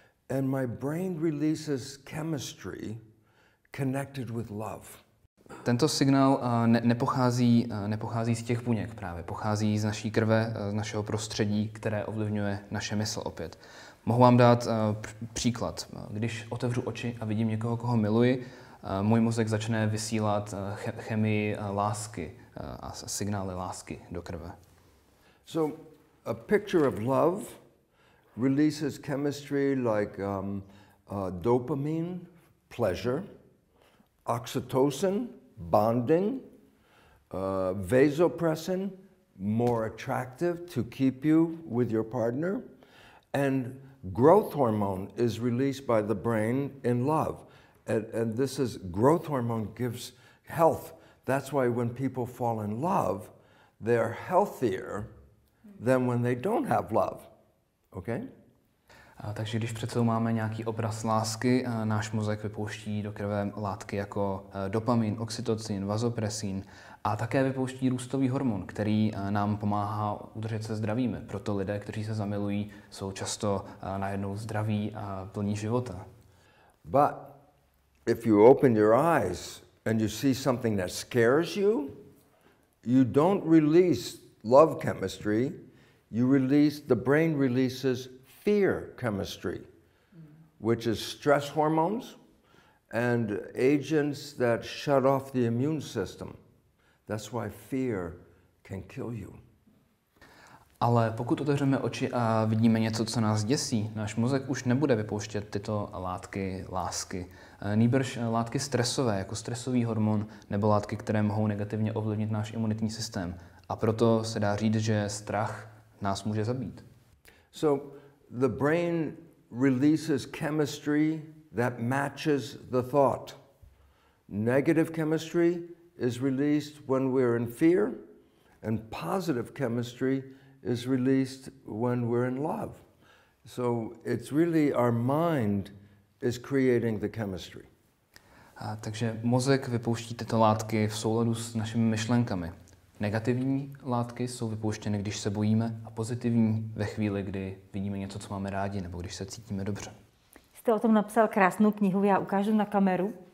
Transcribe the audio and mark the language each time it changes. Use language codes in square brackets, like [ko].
[en] And my brain releases chemistry connected with love. [cs] Tento signál nepochází z těch buněk právě. Pochází z naší krve, z našeho prostředí, které ovlivňuje naše mysl opět. Mohu vám dát příklad. Když otevřu oči a vidím někoho, koho miluji, můj mozek začne vysílat chemii lásky a signály lásky do krve. [en] So a picture of love releases chemistry like dopamine, pleasure, oxytocin, bonding, vasopressin, more attractive to keep you with your partner, and growth hormone is released by the brain in love. And this is growth hormone gives health. That's why when people fall in love, they're healthier than when they don't have love. Okay? [cs] Takže když před sebou máme nějaký obraz lásky, náš mozek vypouští do krve látky jako dopamin, oxytocin, vazopresin a také vypouští růstový hormon, který nám pomáhá udržet se zdravými. Proto lidé, kteří se zamilují, jsou často najednou zdraví a plní života. [en] But if you open your eyes and you see something that scares you, you don't release love chemistry, you release, the brain releases fear chemistry, which is stress hormones and agents that shut off the immune system. That's why fear can kill you. [cs] Ale pokud otevřeme oči a vidíme něco, co nás děsí, náš mozek už nebude vypouštět tyto látky lásky. Nýbrž látky stresové, jako stresový hormon, nebo látky, které mohou negativně ovlivnit náš imunitní systém. A proto se dá říct, že strach nás může zabít. [en] So the brain releases chemistry that matches the thought. Negative chemistry is released when we're in fear, and positive chemistry is released when we're in love. So it's really our mind is creating the chemistry. [cs] Takže mozek vypouští tyto látky v souladu s našimi myšlenkami. Negativní látky jsou vypouštěny, když se bojíme, a pozitivní ve chvíli, kdy vidíme něco, co máme rádi, nebo když se cítíme dobře. Jste o tom napsal krásnou knihu, já ukážu na kameru.